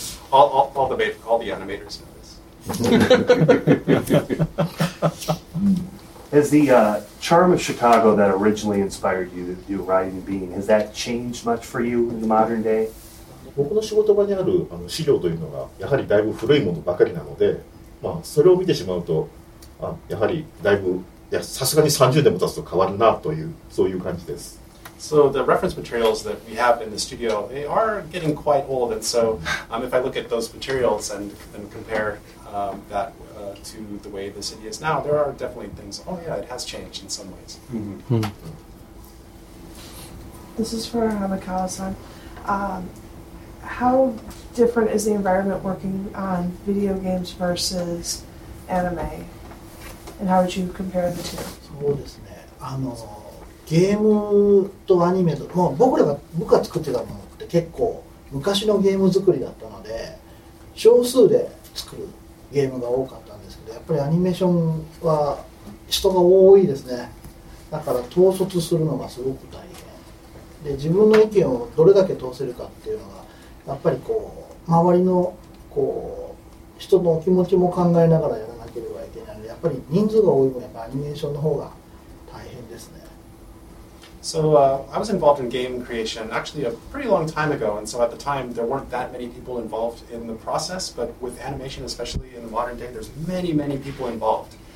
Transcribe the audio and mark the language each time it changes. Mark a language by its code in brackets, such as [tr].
[en] All the animators know this. Has the charm of Chicago that originally inspired you to do Riding Bean, has that changed much for you in the modern day? [ja] 僕の仕事場にある資料というのがやはりだいぶ古いものばかりなので、 まあ、それを見てしまうと、やはりだいぶ、さすがに30年も経つと変わるなという、そういう感じです。 [en] So the reference materials that we have in the studio, they are getting quite old, and so if I look at those materials and compare that to the way the city is now, there are definitely things, oh yeah, it has changed in some ways. This is for Hamakawa-san. How different is the environment working on video games versus anime? And how would you compare the two? [ja] そうですね。ゲームとアニメと、僕らが作ってたものって結構昔のゲーム作りだったので、少数で作るゲームが多かったんですけど、やっぱりアニメーションは人が多いですね。だから統率するのがすごく大変で、自分の意見をどれだけ通せるかっていうのが、やっぱりこう周りのこう人の気持ちも考えながらやらなければいけないので、やっぱり人数が多い分やっぱアニメーションの方が大変ですね。 [en] So, I was involved in game creation actually a pretty long time ago, and so at the time there weren't that many people involved in the process, but with animation, especially in the modern day, there's many, many people involved.